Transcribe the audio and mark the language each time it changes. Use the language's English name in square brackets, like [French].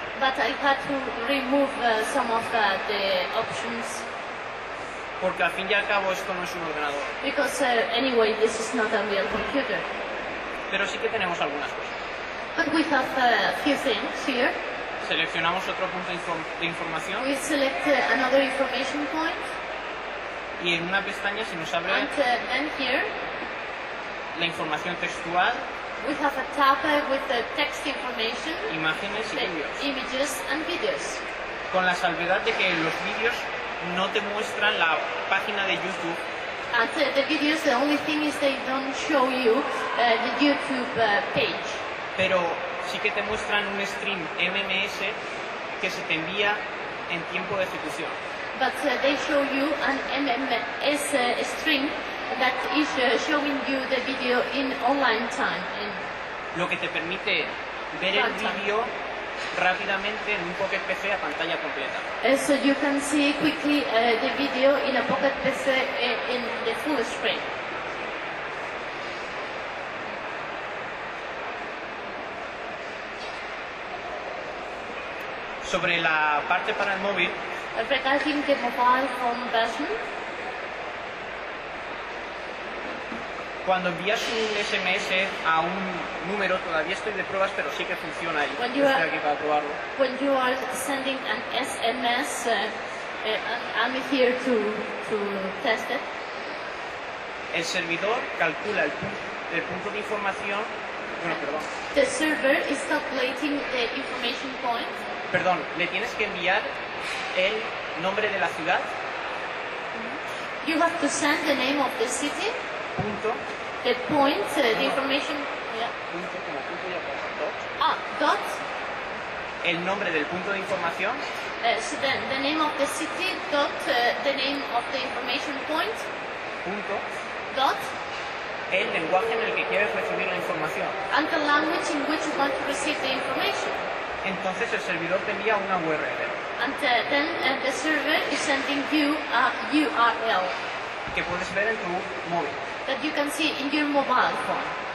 [English] But I had to remove some of the options. [Spanish] Porque al fin y al cabo esto no es un ordenador. [English] Because anyway this is not a real computer. [Spanish] Pero sí que tenemos algunas cosas. [English] But we have a few things here. [Spanish] Seleccionamos otro punto de información. [English] We select another information point. [Spanish] Y en una pestaña se nos abre [English] here, [Spanish] la información textual, [English] we have a tab with the text information, [Spanish] imágenes y vídeos. [English] Images and videos. [Spanish] Con la salvedad de que los vídeos no te muestran la página de YouTube. [English] And the videos, the only thing is they don't show you the YouTube page. [Spanish] Pero sí que te muestran un stream MMS que se te envía en tiempo de ejecución. [English] But they show you an MMS stream that is showing you the video in online time. In [Spanish] lo que te permite ver el video rápidamente en un Pocket PC a pantalla completa. [English] So you can see quickly the video in a Pocket PC in the full screen. [Spanish] Sobre la parte para el móvil. [English] Regarding the mobile phone version, [Spanish] cuando envías un SMS a un número, todavía estoy de pruebas, pero sí que funciona y estoy aquí para probarlo. [English] When you are sending an SMS, I'm here to test it. [Spanish] El servidor calcula el punto de información. Bueno, perdón. [English] The server is calculating the information point. [Spanish] Perdón, le tienes que enviar el nombre de la ciudad. [English] You have to send the name of the city. [Spanish] Punto. [English] The point, the information. Yeah. [Spanish] Punto, como punto y aparte. [English] Ah, dot. [Spanish] El nombre del punto de información. [English] So then, the name of the city, dot, the name of the information point. [Spanish] Punto. [English] Dot. [Spanish] El lenguaje en el que quieres recibir la información. [English] And the language in which you want to receive the information. [Spanish] Entonces el servidor te envía una URL. [English] and then the server is sending you a URL [Spanish] que puedes ver en tu móvil. [English] That you can see in your mobile phone.